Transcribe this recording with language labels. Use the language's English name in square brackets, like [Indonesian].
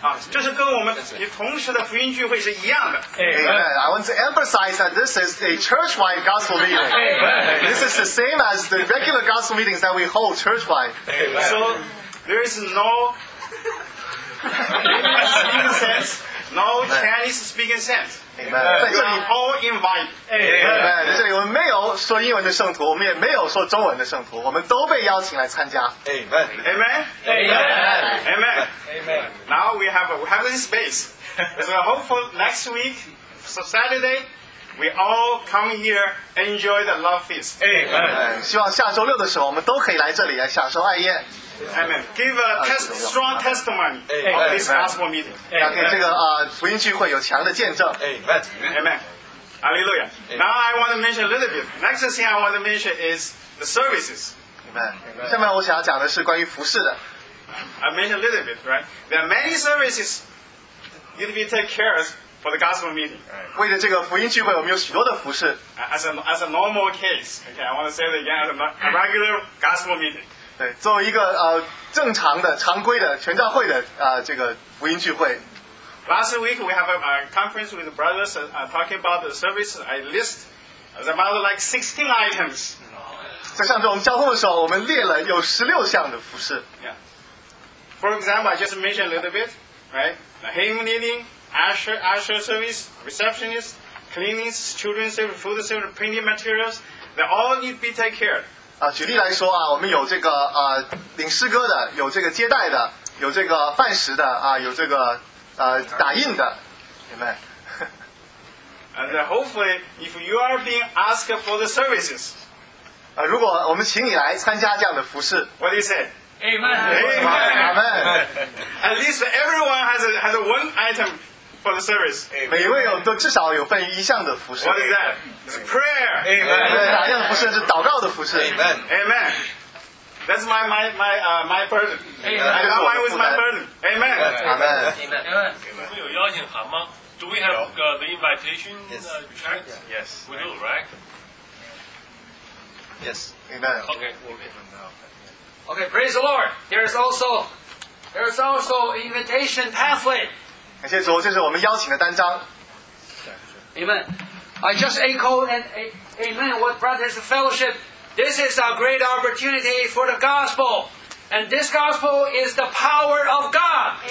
[Chinese] 这是跟我们同时的福音聚会是一样的。 [English] I want to emphasize that this is a church-wide gospel meeting. This is the same as the regular gospel meetings that we hold church-wide. So there is no speaking sense, no Chinese speaking sense. Amen. We all invite. Amen. [Chinese] 在这里我们没有说英文的圣徒，我们也没有说中文的圣徒，我们都被邀请来参加。 [English] Amen. Amen. Amen. Amen. Amen. Now we have this space. So hopefully next week, so Saturday, We all come here enjoy the love feast. Amen. [Chinese] 希望下周六的时候我们都可以来这里来享受爱宴。 [English] Amen. Give a strong testimony of this gospel meeting. [Chinese] 要给这个福音聚会有强的见证。 [English] Amen. Hallelujah. Now I want to mention a little bit. Next thing I want to mention is the services. Amen. [Chinese] 下面我想要讲的是关于服事的。 [English] I mentioned a little bit, right? There are many services need to be taken care of for the gospel meeting. [Chinese] 为了这个福音聚会，我们有许多的服事。 [English] As a normal case, okay, I want to say that again, a regular gospel meeting. [Chinese] 对，作为一个正常的、常规的全教会的这个福音聚会。 [English] Last week we have a conference with the brothers talking about the service. I list about like 16 items. [Chinese] 在上周我们交通的时候，我们列了有16项的服事。 [English] Yeah. For example, I just mentioned a little bit, right? The hymn leading, usher service, receptionist, cleaning, children's service, food service, printing materials, they all need to be taken care of. [Chinese] 举例来说啊，我们有这个领诗歌的，有这个接待的，有这个饭食的啊，有这个打印的，明白？ [English] And hopefully, if you are being asked for the services, [Chinese] 如果我们请你来参加这样的服事 [English] what do you say? Amen. At least everyone has one item for the service. [Chinese] 每一位都至少有份一项的服事。 [English] What is that? It's prayer. Amen. [Chinese] 哪样服事是祷告的服事。 [English] Amen. That's my burden. Amen. I'm fine with my burden. Amen. Amen. Amen. [Chinese] 有邀请函吗？ [English] Do we have the invitation checked? Yes. We do, right? Yes. Amen. Okay, praise the Lord. There is also invitation pamphlet. [Chinese] 感谢主，这是我们邀请的单张。 [English] Amen. I just echo and amen what brothers of fellowship. This is a great opportunity for the gospel, and this gospel is the power of God.